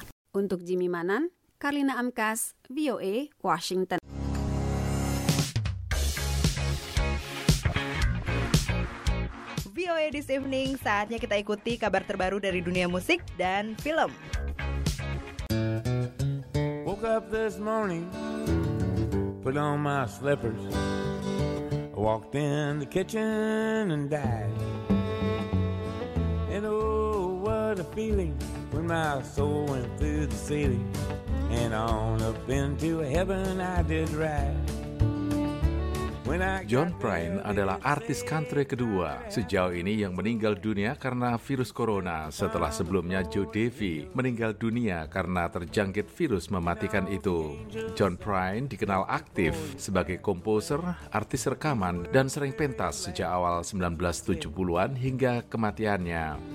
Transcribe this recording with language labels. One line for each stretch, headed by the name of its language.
Indonesian: Untuk Jimmy Manan, Karlina Amkas, VOA, Washington. VOA This Evening, saatnya kita ikuti kabar terbaru dari dunia musik dan film.
English: Woke up this morning, put on my slippers, walked in the kitchen and died. And oh, what a feeling when my soul went through the ceiling and on up into heaven I did ride.
Indonesian: John Prine adalah artis country kedua sejauh ini yang meninggal dunia karena virus corona setelah sebelumnya Joe Davey meninggal dunia karena terjangkit virus mematikan itu. John Prine dikenal aktif sebagai komposer, artis rekaman, dan sering pentas sejak awal 1970-an hingga kematiannya.